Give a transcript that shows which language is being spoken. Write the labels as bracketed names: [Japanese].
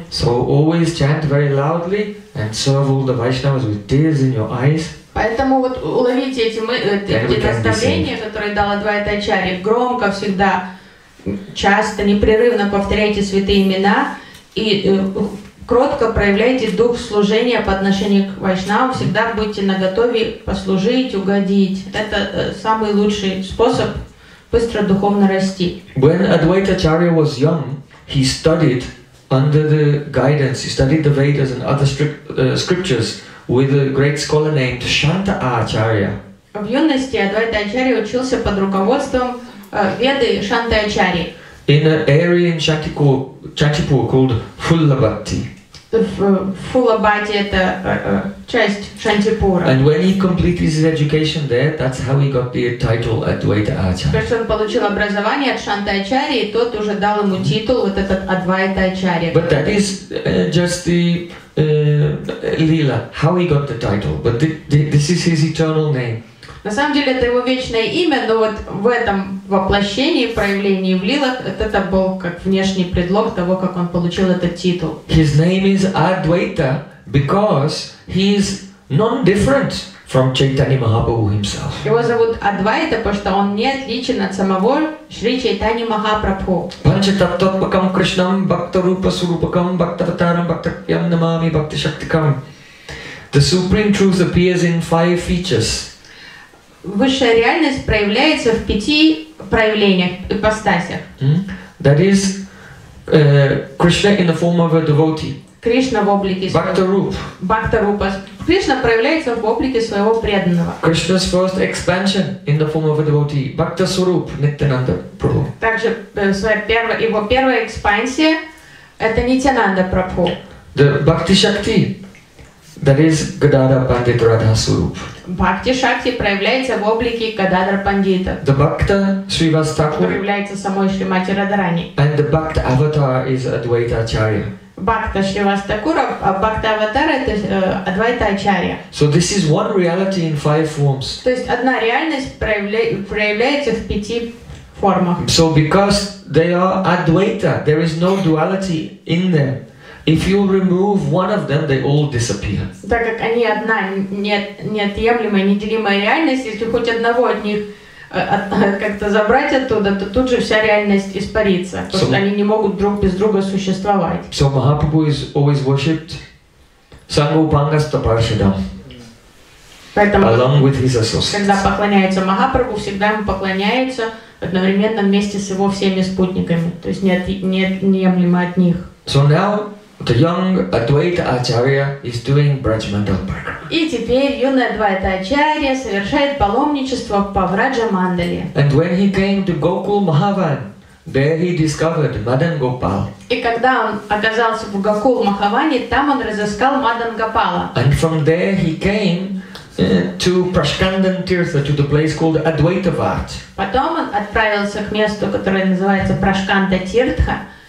[English] So always chant very loudly and serve all the Vaishnavas with tears in your eyes. [Russian] Поэтому вот уловите эти наставления, которые дал Адвайта Ачарья, громко всегда, часто, непрерывно повторяйте святые имена и кротко проявляйте дух служения по отношению к вайшнавам, всегда будьте наготове послужить, угодить. Это самый лучший способ быстро духовно расти. [English] When Advaita Acharya was young, he studied under the guidance, he studied the Vedas and other scriptures with a great scholar named Shanta Acharya. [Russian] В юности Адвайта Ачарья учился под руководством Веды Шанты Ачарьи. [English] In an area in Chatipur called Fullabhati. [Russian] Фуллабхати — это часть Шантипура. [English] And when he completed his education there, that's how he got the title Advaita Acharya. [Russian] Потому что он получил образование от Шанты Ачарьи, и тот уже дал ему титул вот этот Адвайта Ачарья. [English] But that is just the Lila, how he got the title. But this is his eternal name. [Russian] На самом деле это его вечное имя, но вот в этом воплощении, проявлении в лилах, это был как внешний предлог того, как он получил этот титул. [English] His name is Advaita because he is non-different from Chaitanya Mahaprabhu himself. [Russian] Его зовут Адвайта, потому что он не отличен от самого Шри Чайтани Махапрабху. [Sanskrit] Панчататтвакам Кришнам Бхактарупасурупакам Бхактаватарам Бхактаям Намами Бхактишактикам. [English] The Supreme Truth appears in five features. [Russian] Высшая реальность проявляется в пяти проявлениях, ипостасях. [English] That is Krishna in the form of a devotee. [Russian] Кришна в облике Бхакта-рупа. Кришна проявляется в облике своего преданного. [English] Krishna's first expansion in the form of a devotee. [Russian] Бхакта-суруп, Нитянанда Прабху. Также его первая экспансия – это Нитянанда Прабху. [English] The Bhakti-шакти. That is Gadadhar Pandit Radha Swarup. [Russian] Bhakti Shakti проявляется в облике Gadadhar Pandita. [English] The Bhakta Srivas Thakur. [Russian] Проявляется самой Шримати Радхарани. [English] And the Bhakta Avatar is Advaita Acharya. [Russian] Bhakta Srivas Thakur, Bhakta Avatar это Advaita Acharya. [English] So this is one reality in five forms. [Russian] То есть одна реальность проявляется в пяти формах. [English] So because they are Advaita, there is no duality in them. If you remove one of them, they all disappear. [Russian] Так как они одна неотъемлемая, неделимая реальность, если хоть одного от них как-то забрать оттуда, то тут же вся реальность испарится, потому что они не могут друг без друга существовать. [English] So Mahaprabhu is always worshipped Sangupanga Staparshadam. [Russian] Поэтому, [English] along with his associates. [Russian] Когда поклоняется Махапрабху, всегда ему поклоняется одновременно вместе с его всеми спутниками, то есть неотъемлемо от них. [English] So now, the young Advaita Acharya is doing Braj Mandal Parikrama. [Russian] И теперь юный Адвайта Ачарья совершает паломничество по Враджа Мандале. [English] And when he came to Gokul Mahavan, there he discovered Madan Gopal. [Russian] И когда он оказался в Гокул Махаване, там он разыскал Мадан Гопала. [English] And from there he came to Prashkandan Tirtha, to the place called Advaitavat. [Russian] Потом он отправился к месту, которое называется Прашканда Тиртха.